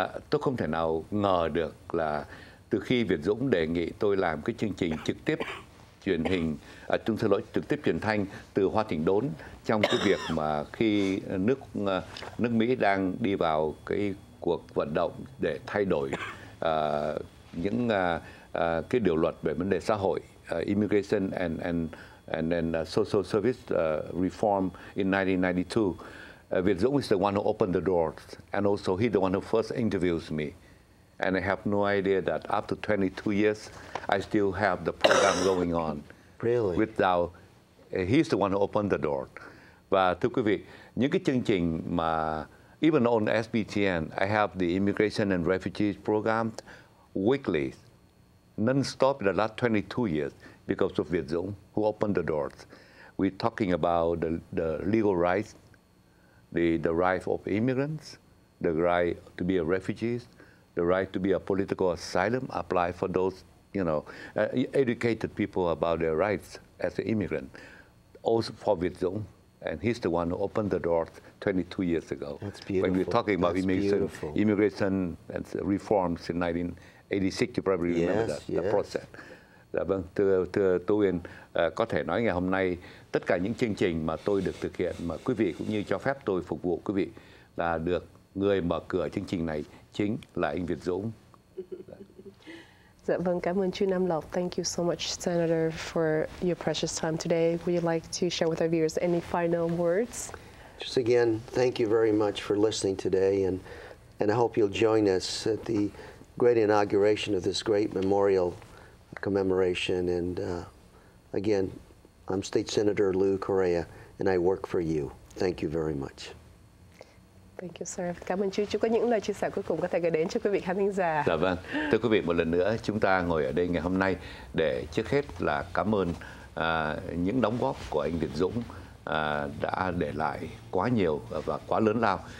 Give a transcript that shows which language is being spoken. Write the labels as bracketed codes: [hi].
[vi] Tôi không thể nào ngờ được là từ khi Việt Dũng đề nghị tôi làm cái chương trình trực tiếp truyền hình, trực tiếp truyền thanh từ Hoa Thịnh Đốn, trong cái việc mà khi nước Mỹ đang đi vào cái cuộc vận động để thay đổi những cái điều luật về vấn đề xã hội, [en] immigration and then social service reform in 1992. Việt Dũng is the one who opened the doors, and also he's the one who first interviews me. And I have no idea that after 22 years, I still have the program going on. Really? Without, he's the one who opened the door. [vi] Và thưa quý vị, những cái chương trình mà, [en] even on SBTN, I have the Immigration and Refugees Program weekly, non-stop in the last 22 years because of Việt Dũng, who opened the doors. We're talking about the legal rights, the right of immigrants, the right to be a refugee, the right to be a political asylum, apply for those, you know, educated people about their rights as an immigrant. Also for Việt Dũng, and he's the one who opened the door 22 years ago. That's beautiful. When we're talking about immigration and reforms in 1986, you probably remember the process. [vi] Dạ vâng, thưa Tú Uyên, có thể nói ngày hôm nay tất cả những chương trình mà tôi được thực hiện, mà quý vị cũng như cho phép tôi phục vụ quý vị, là được người mở cửa chương trình này chính là anh Việt Dũng. Dạ vâng, cảm ơn chú Nam Lộc. [en] Thank you so much, Senator, for your precious time today. Would you like to share with our viewers any final words? Just again, thank you very much for listening today, and I hope you'll join us at the great inauguration of this great memorial commemoration. And again, I'm State Senator Lou Correa, and I work for you. Thank you very much. Thank you, sir. [vi] Cảm ơn chú có những lời chia sẻ cuối cùng có thể gửi đến cho quý vị khán thính giả. Dạ vâng. Thưa quý vị, một lần nữa chúng ta ngồi ở đây ngày hôm nay để trước hết là cảm ơn những đóng góp của anh Việt Dũng đã để lại quá nhiều và quá lớn lao.